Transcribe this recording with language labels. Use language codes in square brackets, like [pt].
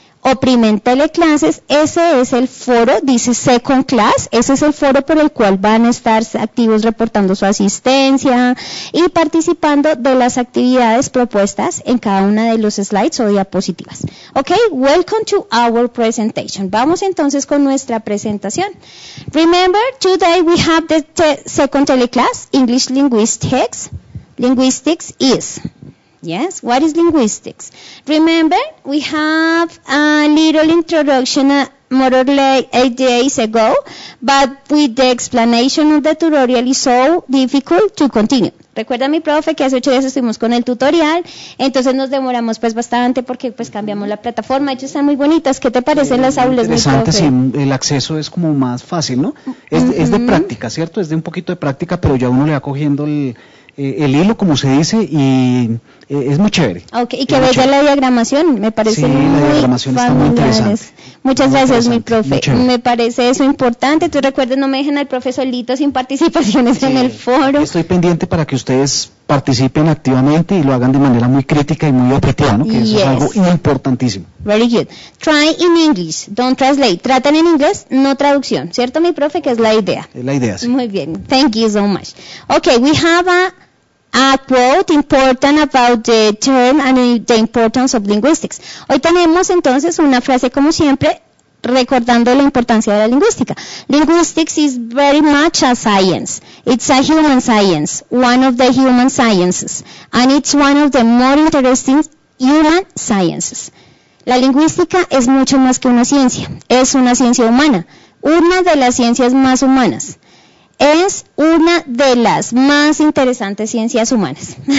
[es] Oprimen Teleclases, ese es el foro, dice Second Class, ese es el foro por el cual van a estar activos reportando su asistencia y participando de las actividades propuestas en cada una de los slides o diapositivas. [en] Ok, welcome to our presentation. Vamos entonces con nuestra presentación. Remember, today we have the second Teleclass, English Linguistics. Linguistics is... Yes, what is linguistics? Remember, we have a little introduction more or less 8 days ago, but with the explanation of the tutorial, it's so difficult to continue. [es] Recuerda, mi profe, que hace 8 días estuvimos con el tutorial, entonces nos demoramos pues bastante porque pues cambiamos la plataforma. De hecho, están muy bonitas. ¿Qué te parecen las aulas, mi profe? Sí, el acceso es como más fácil, ¿no? Es de práctica, ¿cierto? Es de un poquito de práctica, pero ya uno le va cogiendo el hilo, como se dice, y es muy chévere. Ok, y qué bella la diagramación, me parece muy familiar. Sí, la diagramación está muy interesante. Muchas gracias, mi profe. Me parece eso importante. Tú recuerdas, no me dejen al profe solito sin participaciones en el foro. Estoy pendiente para que ustedes participen activamente y lo hagan de manera muy crítica y muy objetiva, ¿no? Que eso es algo importantísimo. Very good. Try in English, don't translate. Traten en inglés, no traducción. ¿Cierto, mi profe? Que es la idea. Es la idea, sí. [en] Muy bien. Thank you so much. Okay, we have a quote important about the term and the importance of linguistics. [es] Hoy tenemos entonces una frase, como siempre, recordando la importancia de la lingüística. [en] Linguistics is very much a science. It's a human science, one of the human sciences, and it's one of the more interesting human sciences. [es] La lingüística es mucho más que una ciencia. Es una ciencia humana, una de las ciencias más humanas. Es una de las más interesantes ciencias humanas.